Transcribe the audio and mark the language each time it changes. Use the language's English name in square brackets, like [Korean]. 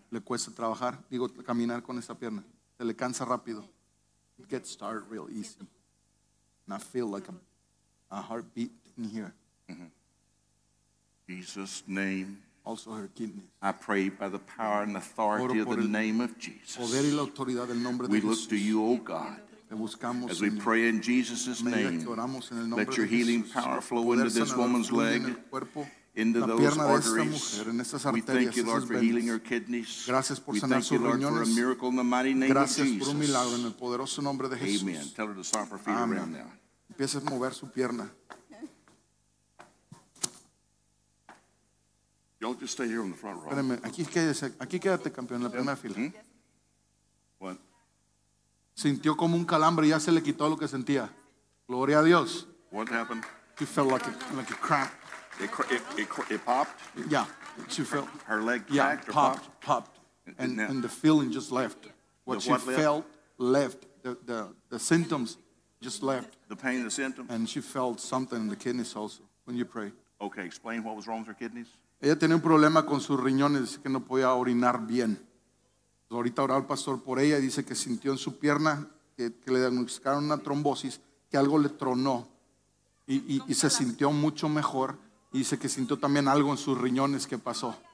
[Spanish] Le cuesta trabajar, digo, caminar con esa pierna. Se le cansa rápido. [English] It gets tired real easy. And I feel like a heartbeat in here. Mm-hmm. Jesus' name. Also her kidneys. I pray by the power and authority of the name of Jesus. [Spanish] Poder y la autoridad del nombre de [English] Jesús. We look to you, O God. As we pray in Jesus' name, let your healing power flow into this woman's leg, into those arteries. We thank you, Lord, for healing her kidneys. We thank you, Lord, for a miracle in the mighty name of Jesus. Amen. Tell her to stomp her feet around now. [Spanish] Empieza a mover su pierna. [English] Don't just stay here on the front row. [Spanish] Espérame, aquí quédate, campeón, en la primera fila. [English] What? [Spanish] Sintió como un calambre y ya se le quitó lo que sentía. Gloria a Dios. [English] What happened? She felt like a cramp. It popped. Yeah, she felt. Her leg yeah, cracked popped, or popped. Popped. And the feeling just left. What the she what felt left. Left. The symptoms just left. The pain, the symptoms. And she felt something in the kidneys also when you pray. Okay, explain what was wrong with her kidneys. [Spanish] Ella tenía un problema con sus riñones, que no podía orinar bien. Ahorita oró el pastor por ella y dice que sintió en su pierna que le diagnosticaron una trombosis, que algo le tronó y se sintió mucho mejor. Y dice que sintió también algo en sus riñones que pasó.